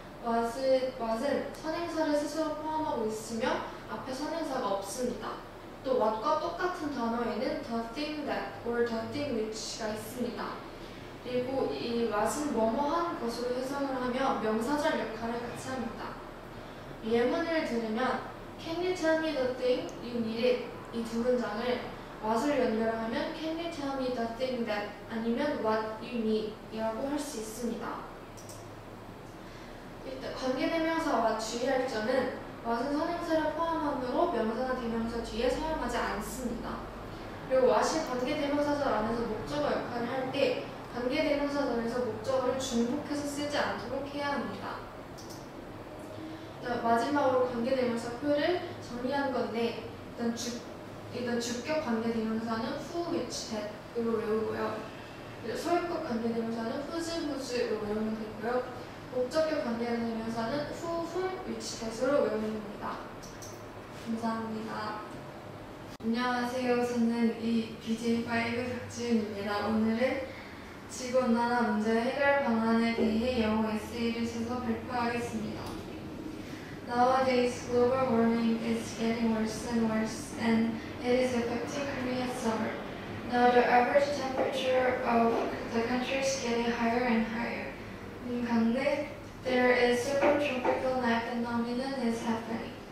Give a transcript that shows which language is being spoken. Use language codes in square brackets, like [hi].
[ko] what은 선행사를 스스로 포함하고 있으며 앞에 선행사가 없습니다. 또 what과 똑같은 단어에는 the thing that or the thing which가 있습니다. 그리고 이 what은 뭐뭐한 것으로 해석을 하며 명사절 역할을 같이 합니다. 예문을 들으면 [en] Can you tell me the thing you need? [ko] 이두 문장을 what을 연결하면 Can you tell me the thing that 아니면 what you need이라고 할수 있습니다. 일단 관계대명사와 주의할 점은 what은 선행사를 포함함으로 명사나 대명사 뒤에 사용하지 않습니다. 그리고 what이 관계대명사절 안에서 목적어 역할을 할때 관계대명사절에서 목적어를 중복해서 쓰지 않도록 해야 합니다. 마지막으로 관계대명사 표를 정리한 건데 일단 주격 관계대명사는 who, which, that으로 외우고요. 소유격 관계대명사는 whose, whose로 외우면 되고요. 목적격 관계대명사는 who, whom, which, that으로 외우면 됩니다. 감사합니다. 안녕하세요. 저는 이 BJ5 박지윤입니다. 오늘은 직원 난화 문제 해결 방안에 대해 영어 에세이를 써서 발표하겠습니다. [en] Nowadays, global warming is getting worse and worse, and it is affecting Korea's summer. Now, the average temperature of the country is getting higher and higher. In Gangnae, there is supertropical night phenomenon is happening.